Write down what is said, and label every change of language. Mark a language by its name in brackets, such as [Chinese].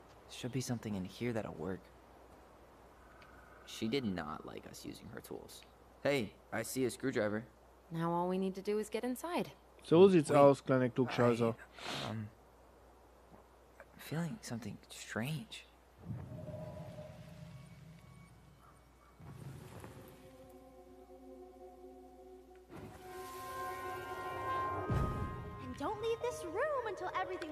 [English] Should be something in here that'll work. She did not like us using her tools. Hey, I see a screwdriver. Now all we need to do is get inside. [German] So sieht's aus, kleiner Klugscheißer. [English] I'm feeling something strange. And don't leave this room until everything